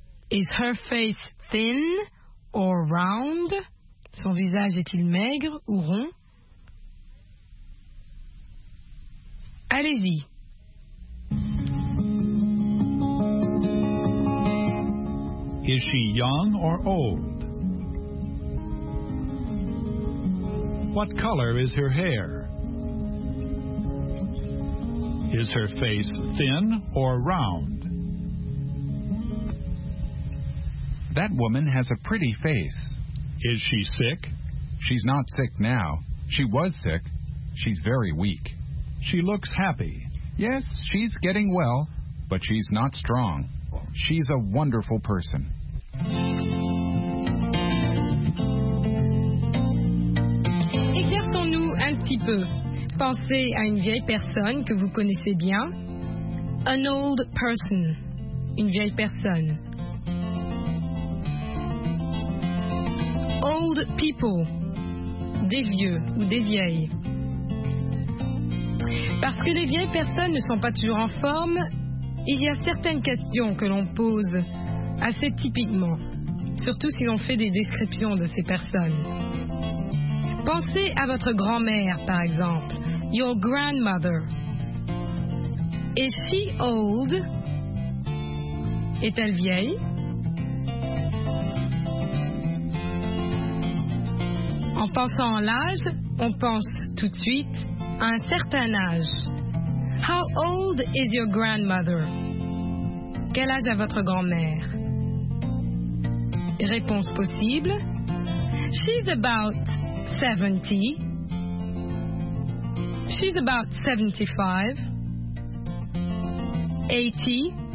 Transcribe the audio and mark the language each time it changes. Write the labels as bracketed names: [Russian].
[English] Is her face thin or round? [French] Son visage est-il maigre ou rond? Allez-y. [English] Is she young or old? What color is her hair? Is her face thin or round? That woman has a pretty face. Is she sick? She's not sick now. She was sick. She's very weak. She looks happy. Yes, she's getting well, but she's not strong. She's a wonderful person. [French] Exerçons-nous un petit peu. Pensez à une vieille personne que vous connaissez bien. [English] An old person. [French] Une vieille personne. Old people. Des vieux ou des vieilles. Parce que les vieilles personnes ne sont pas toujours en forme, il y a certaines questions que l'on pose assez typiquement, surtout si l'on fait des descriptions de ces personnes. Pensez à votre grand-mère, par exemple. [English] Your grandmother. Is she old? [French] Est-elle vieille? En pensant à l'âge, on pense tout de suite à un certain âge. [English] How old is your grandmother? [French] Quel âge a votre grand-mère? Réponse possible. [English] She's about 70. She's about 75. 80.